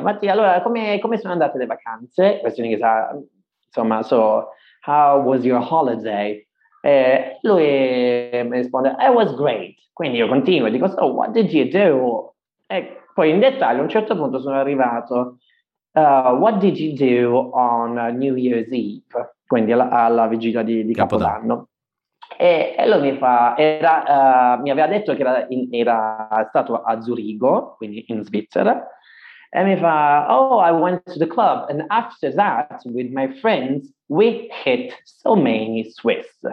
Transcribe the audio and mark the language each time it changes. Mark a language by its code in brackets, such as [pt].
[it] Mattia, allora, come sono andate le vacanze? Questo in inglese, insomma, [en] so, how was your holiday? [it] Lui mi risponde, [en] it was great. [it] Quindi io continuo e dico, [en] so, what did you do? [it] E poi in dettaglio, a un certo punto sono arrivato, [en] what did you do on New Year's Eve? [it] Quindi alla vigilia di Capodanno. E lui mi fa, mi aveva detto che era stato a Zurigo, quindi in Svizzera, e mi fa, [en] oh, I went to the club, and after that, with my friends, we hit so many Swiss.